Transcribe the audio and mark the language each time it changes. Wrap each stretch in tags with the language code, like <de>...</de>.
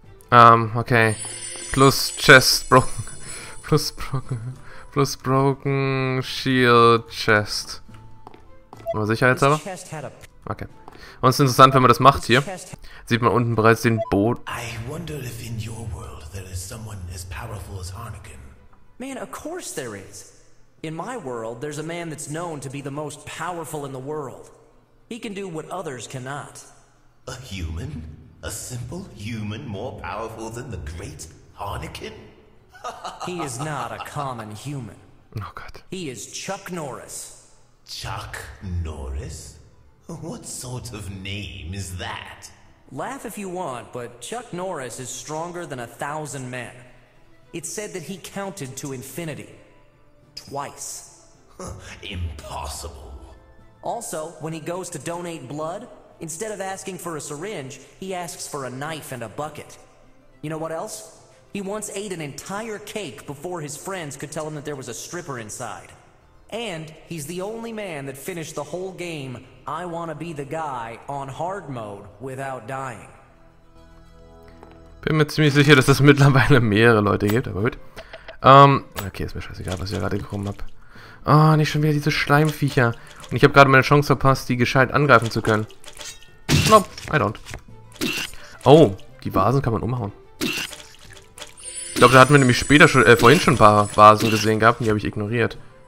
<en>Okay. Plus Chest broken. Plus broken Shield Chest.</en> <de>Aber sicherheitshalber?</de> <en>Okay.</en> <de>Und es ist interessant, wenn man das macht hier, sieht man unten bereits den Boot.</de> <en>I wonder if in your world there is someone as powerful as Harnikin. Man, of course there is. In my world, there's a man that's known to be the most powerful in the world. He can do what others cannot. A human? A simple human more powerful than the great Harnikin? He is not a common human. Oh God. He is Chuck Norris. Chuck Norris? What sort of name is that? Laugh if you want, but Chuck Norris is stronger than 1,000 men. It's said that he counted to infinity. Twice. Impossible. Also, when he goes to donate blood, instead of asking for a syringe, he asks for a knife and a bucket. You know what else? He once ate an entire cake before his friends could tell him that there was a stripper inside. And he's the only man that finished the whole game, I Wanna Be the Guy, on hard mode without dying.</en> <de>Bin mir ziemlich sicher, dass es mittlerweile mehrere Leute gibt, aber gut. Okay, ist mir scheißegal, was ich gerade gekommen habe. Oh, nicht schon wieder diese Schleimviecher. Und ich habe gerade meine Chance verpasst, die gescheit angreifen zu können.</de> <en>Nope, I don't.</en> <de>Oh, die Vasen kann man umhauen. Ich glaube, da hatten wir nämlich später schon, vorhin schon ein paar Vasen gesehen gehabt und die habe ich ignoriert.</de>